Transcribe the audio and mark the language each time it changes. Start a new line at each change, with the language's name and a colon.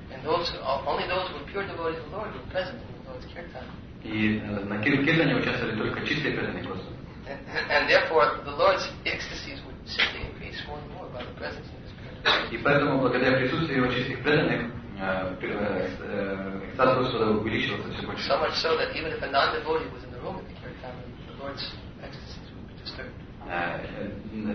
English: And those, only those who were pure devotees of the Lord were present in the Lord's kirtan.
Russian: И на киртане участвовали только чистые преданные просто.
English: And therefore, the Lord's ecstasies would simply increase more and more by the presence of His Spirit.
Russian: И поэтому благодаря присутствию Его чистых преданных экстаз Господа увеличивался все больше.
English: So much so that even if a non-devotee was in the room at the kirtan, the Lord's ecstasies would be disturbed.